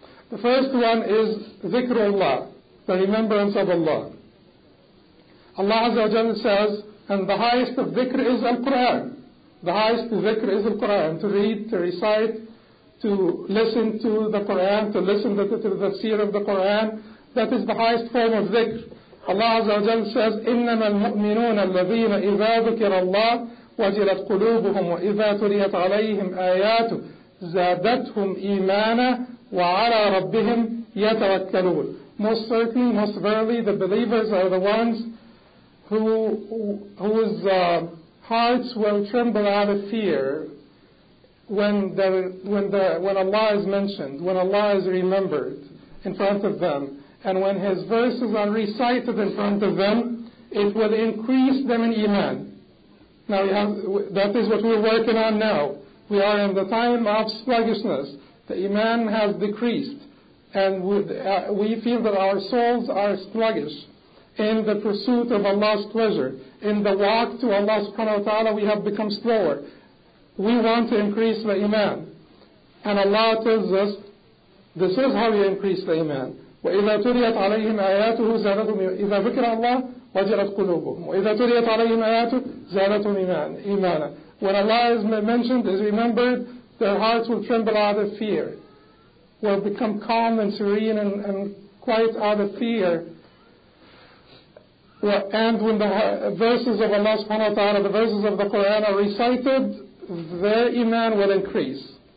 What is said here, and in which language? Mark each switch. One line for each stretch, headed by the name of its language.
English: The first one is dhikrullah, the remembrance of Allah. Allah Azza wa Jalla says, and the highest of dhikr is al-Quran. The highest dhikr is al-Quran, to read, to recite, to listen to the Quran, to listen to the seer of the Quran. That is the highest form of dhikr.
Arabic: Allah Azza wa Jalla says, إِنَّمَا الْمُؤْمِنُونَ الَّذِينَ إِذَا ذُكِرَ اللَّهِ وَجِلَتْ قُلُوبُهُمْ وَإِذَا تُلِيَتْ عَلَيْهِمْ آيَاتُ زَادَتْهُمْ إِيمَانًا وَعَلَى رَبِّهِمْ يَتَوَكَّلُونَ.
English: Most certainly, most verily, the believers are the ones whose hearts will tremble out of fear when Allah is mentioned, when Allah is remembered in front of them, and when His verses are recited in front of them, it will increase them in iman. Now, that is what we're working on now. We are in the time of sluggishness. The iman has decreased, and we feel that our souls are sluggish in the pursuit of Allah's pleasure. In the walk to Allah subhanahu wa ta'ala, we have become slower. We want to increase the iman. And Allah tells us, this is how you increase the iman.
Arabic: وإذا تريت عليهم آياته زادتهم إذا ذكر الله وجلت قلوبهم وإذا تريت عليهم آياته زادتهم إيمانا.
English: When Allah is mentioned, is remembered, their hearts will tremble out of fear, will become calm and serene and quiet out of fear. And when the verses of Allah subhanahu wa ta'ala, the verses of the Quran are recited, their iman will increase.